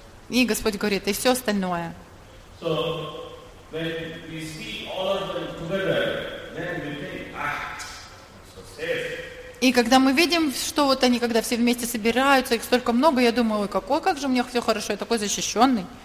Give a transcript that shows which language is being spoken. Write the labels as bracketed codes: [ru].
[ru] И Господь говорит, и все остальное. [en] So, when we see all of them together, then we think, ah, success. [ru] И когда мы видим, что вот они, когда все вместе собираются, их столько много, я думаю, ой, какой, как же у меня все хорошо, я такой защищенный.